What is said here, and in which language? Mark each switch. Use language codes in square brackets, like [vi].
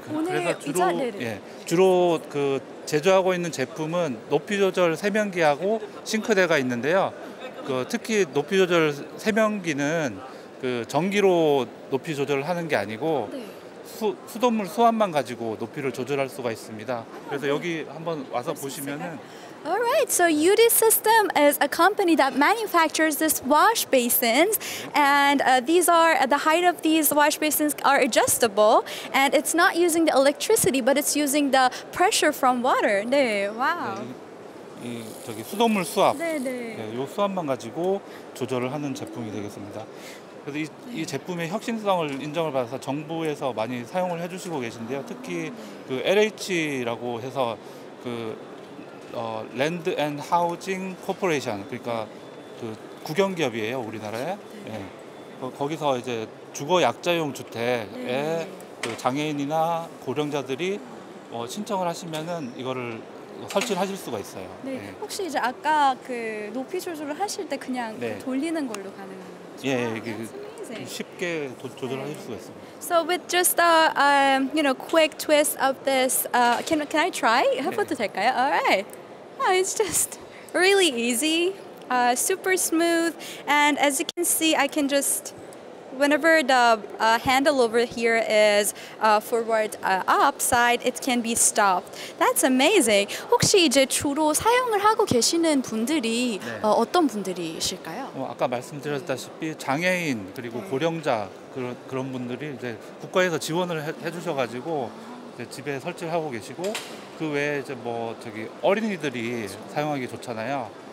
[ko] 그래서 주로 예, 주로 그 제조하고 있는 제품은 높이 조절 세면기하고 싱크대가 있는데요. 그 특히 높이 조절 세면기는 그 전기로 높이 조절을 하는 게 아니고 수돗물 수압만 가지고 높이를 조절할 수가 있습니다. 그래서 여기 한번 와서 보시면은. [en] All right, so UD System is a company that manufactures this wash basins, and these are, the height of these wash basins are adjustable, and it's not using the electricity, but it's using the pressure from water. [ko] 네, 와우. 네, 이 저기 수돗물 수압, 네, 이 수압만 가지고 조절을 하는 제품이 되겠습니다. 그래서 이 제품의 혁신성을 인정을 받아서 정부에서 많이 사용을 해주시고 계신데요. 특히 그 LH라고 해서 그 랜드 앤 하우징 코퍼레이션, 그러니까 그 국영 기업이에요, 우리나라에. 네. 예. 거기서 이제 주거 약자용 주택에 네. 그 장애인이나 고령자들이 신청을 하시면은 이거를 설치하실 수가 있어요. 네. 예. 혹시 이제 아까 그 높이 조절을 하실 때 그냥 네. 돌리는 걸로 가능한가요? 예. 이게 쉽게 조절하실 네. 수가 있습니다. [en] So with just a you know quick twist of this, can I try? [ko] 해봐도 될까요? [en] All right. Oh, it's just really easy, super smooth, and as you can see, I can just whenever the handle over here is forward upside, it can be stopped. That's amazing. [ko] 혹시 이제 주로 사용을 하고 계시는 분들이 네. 어떤 분들이실까요? 아까 말씀드렸다시피 장애인 그리고 네. 고령자 그런 분들이 이제 국가에서 지원을 해주셔가지고 이제 집에 설치를 하고 계시고 그 외에 이제 뭐 저기 어린이들이 그렇죠. 사용하기 좋잖아요.